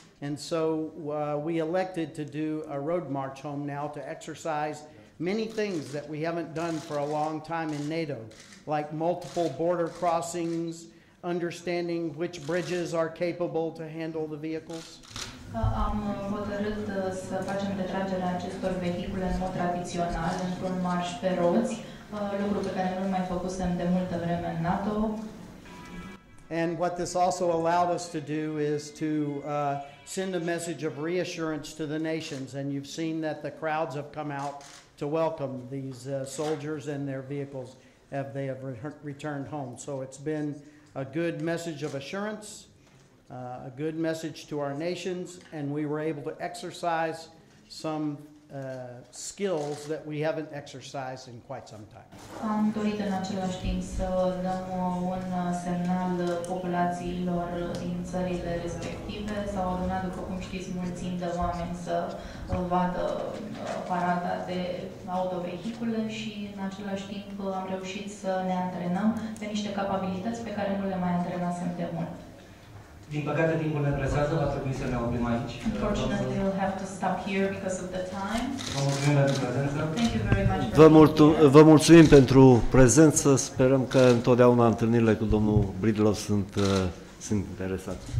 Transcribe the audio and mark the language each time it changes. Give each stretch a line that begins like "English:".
English: And so we elected to do a road march home now to exercise many things that we haven't done for a long time in NATO, like multiple border crossings, understanding which bridges are capable to handle the vehicles.
Romanian: Am hotărât să facem retragerea acestor vehicule în mod tradițional, într-un marș pe roți, lucru pe care nu-l mai făcusem de multă vreme în NATO.
English: And what this also allowed us to do is to send a message of reassurance to the nations, and you've seen that the crowds have come out to welcome these soldiers and their vehicles as they have returned home. So it's been a good message of assurance, a good message to our nations, and we were able to exercise some skills that we haven't exercised in quite some time.
Romanian: Am dorit în același timp să dăm un semnal populațiilor din țările respective. S-au adunat, după cum știți, mulțimi de oameni să vadă parada de autovehicule și în același timp am reușit să ne antrenăm pe niște capabilități pe care nu le mai antrenasem de mult. Din păcate, timpul ne presează, va trebui să ne oprim aici.
English: Unfortunately, we'll have to stop here because of the time.
Romanian: Vă mulțumim pentru prezență.
English: Thank you very much.
Romanian: Vă mulțumim pentru prezență. Sperăm că întotdeauna întâlnirile cu domnul Breedlove sunt interesante.